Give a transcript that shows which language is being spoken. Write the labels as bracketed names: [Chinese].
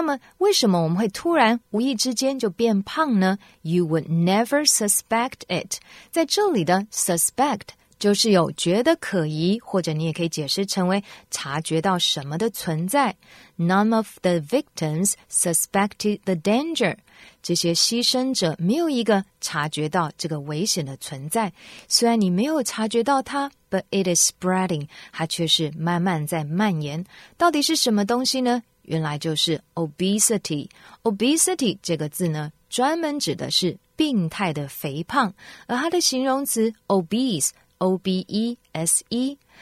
[Chinese] 没有啦，我们只是开玩笑。原来我们今天要讨论的呢，叫做大型传染病。而传染病这个名词呢，我们就可以用epidemic这个字。而相同的呢，这个字也可以当作是形容词，传染的。那么为什么我们会突然无意之间就变胖呢？ [English] You would never suspect it. [Chinese] 在这里的suspect就是有觉得可疑，或者你也可以解释成为察觉到什么的存在。 [English] None of the victims suspected the danger. [Chinese] 这些牺牲者没有一个察觉到这个危险的存在。虽然你没有察觉到它, [English] but it is spreading. [Chinese] 它却是慢慢在蔓延。到底是什么东西呢? 原来就是obesity. Obesity这个字呢, 专门指的是病态的肥胖。而它的形容词obese, O-B-E-S-E.